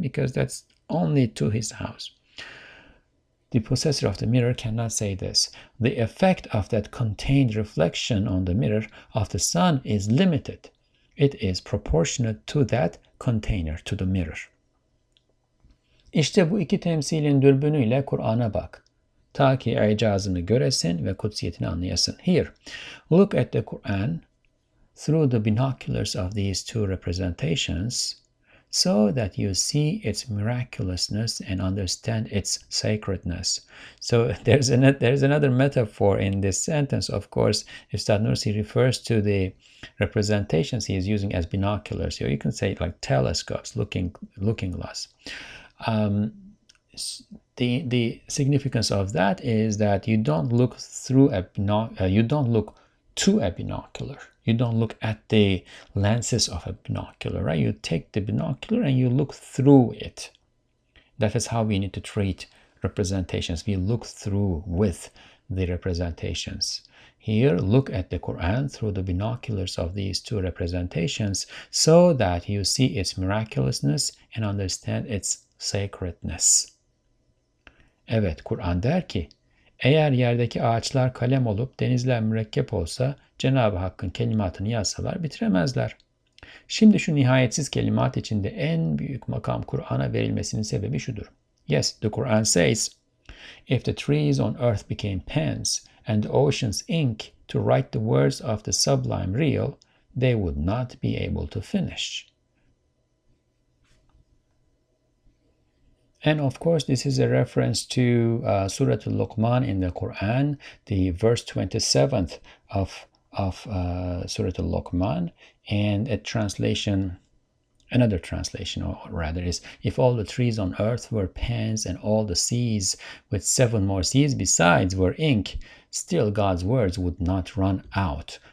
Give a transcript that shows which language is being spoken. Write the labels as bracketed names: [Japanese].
[English] Because that's only to his house. The possessor of the mirror cannot say this. The effect of that contained reflection on the mirror of the sun is limited. It is proportionate to that container, to the mirror. [Turkish] İşte bu iki temsilin dürbünüyle Kur'an'a bak. Ta ki icazını göresin ve kutsiyetini anlayasın. [English] Here, look at the Quran through the binoculars of these two representations, so that you see its miraculousness and understand its sacredness. So there's another metaphor in this sentence. Of course, Ustad Nursi refers to the representations he is using as binoculars. So you can say like telescopes, looking glass. the significance of that is that you don't look through a you don't look to a binocular. You don't look at the lenses of a binocular, right? You take the binocular and you look through it. That is how we need to treat representations. We look through with the representations. Here, look at the Quran through the binoculars of these two representations so that you see its miraculousness and understand its sacredness. [Turkish] Evet, Kur'an der ki, eğer yerdeki ağaçlar kalem olup denizler mürekkep olsa, Cenab-ı Hakk'ın kelimatını yazsalar bitiremezler. Şimdi şu nihayetsiz kelimat içinde en büyük makam Kur'an'a verilmesinin sebebi şudur. [English] Yes, the Quran says, if the trees on earth became pens and the oceans ink to write the words of the sublime real, they would not be able to finish. And of course, this is a reference to Surah Al-Luqman in the Quran, the verse 27th of Surah Al-Luqman, and a translation, another translation, or rather, is if all the trees on earth were pens and all the seas with seven more seas besides were ink, still God's words would not run out.